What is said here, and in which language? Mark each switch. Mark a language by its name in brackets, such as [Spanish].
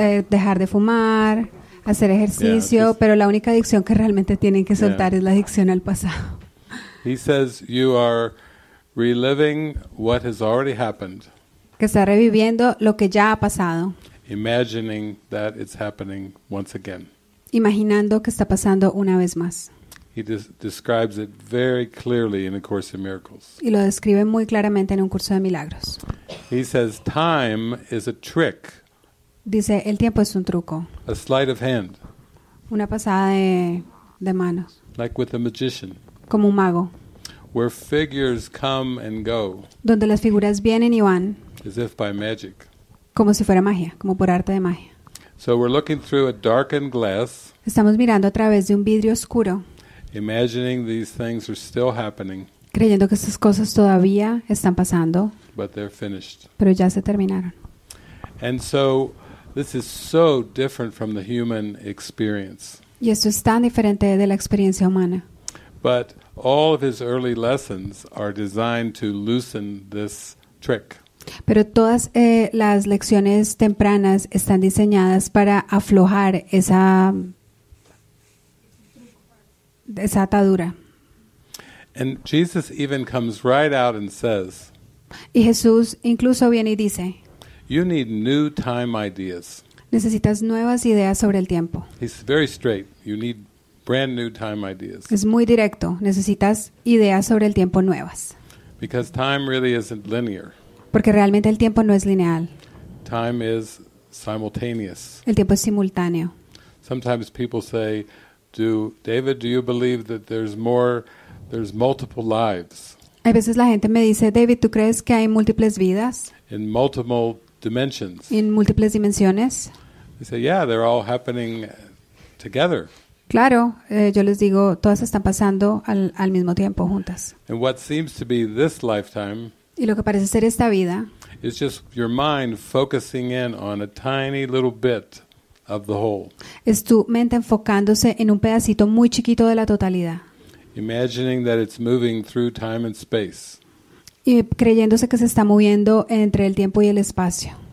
[Spanish] Dejar de fumar, hacer ejercicio, yeah, pero la única adicción que realmente tienen que soltar es la adicción al pasado. [English] He says you are reliving what has already happened. [Spanish] Que está reviviendo lo que ya ha pasado. [English] Imagining that it's happening once again. [Spanish] Imaginando que está pasando una vez más. [English] He describes it very clearly in A Course in Miracles. [Spanish] Y lo describe muy claramente en Un Curso de Milagros. [English] He says time is a trick. [Spanish] Dice, el tiempo es un truco. [English] A sleight of hand. [Spanish] Una pasada de manos. [English] Like with a magician. [Spanish] Como un mago. [English] Where figures come and go. [Spanish] Donde las figuras vienen y van. [English] As if by magic. [Spanish] Como si fuera magia, como por arte de magia. [English] So we're looking through a darkened glass. [Spanish] Estamos mirando a través de un vidrio oscuro. [English] Imagining these things are still happening. [Spanish] Creyendo que estas cosas todavía están pasando. [English] But they're finished. [Spanish] Pero ya se terminaron. [English] And so this is so different from the human experience. [Spanish] Y esto es tan diferente de la experiencia humana. [English] But all of his early lessons are designed to loosen this trick. [Spanish] Pero todas las lecciones tempranas están diseñadas para aflojar esa atadura. [English] And Jesus even comes right out and says. [Spanish] Y Jesús incluso viene y dice. [English] You need new time ideas. [Spanish] Necesitas nuevas ideas sobre el tiempo. [English] He's very straight. You need brand new time ideas. [Spanish] Es muy directo. Necesitas ideas sobre el tiempo nuevas. [English] Because time really isn't linear. [Spanish] Porque realmente el tiempo no es lineal. [English] Time is simultaneous. [Spanish] El tiempo es simultáneo. [English] Sometimes people say, "Do you believe that there's multiple lives?" [Spanish] A veces la gente me dice, "David, ¿tú crees que hay múltiples vidas?" [English] In multiple dimensions. [Spanish] En múltiples dimensiones. [English] They say, "Yeah, they're all happening together." [Spanish] Claro, yo les digo, todas están pasando al mismo tiempo, juntas. [English] And what seems to be this lifetime, [Spanish] y lo que parece ser esta vida [English] is just your mind focusing in on a tiny little bit of the whole. [Spanish] Es tu mente enfocándose en un pedacito muy chiquito de la totalidad. [English] Imagining that it's moving through time and space. [Spanish] Y creyéndose que se está moviendo entre el tiempo y el espacio.